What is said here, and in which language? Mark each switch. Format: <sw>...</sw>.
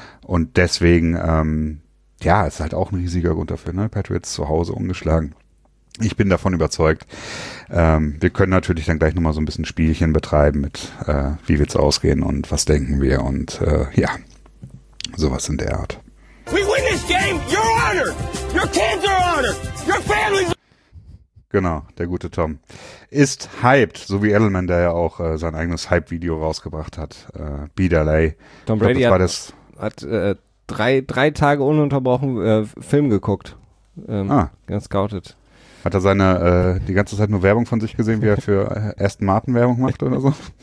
<de>Und deswegen, ist halt auch ein riesiger Grund dafür, ne? Patriots zu Hause ungeschlagen. Ich bin davon überzeugt. Wir können natürlich dann gleich nochmal so ein bisschen Spielchen betreiben mit, wie wird's ausgehen und was denken wir und ja, sowas in der Art.</de> <en>We win this game, your honor, your kids are honored, your family's.</en> <de>Genau, der gute Tom ist hyped, so wie Edelman, der ja auch sein eigenes Hype-Video rausgebracht hat. Biederlei. Tom Brady hat drei Tage ununterbrochen Film geguckt. Gescoutet. Hat er seine die ganze Zeit nur Werbung von sich gesehen, wie er für Aston Martin Werbung macht oder so?</de>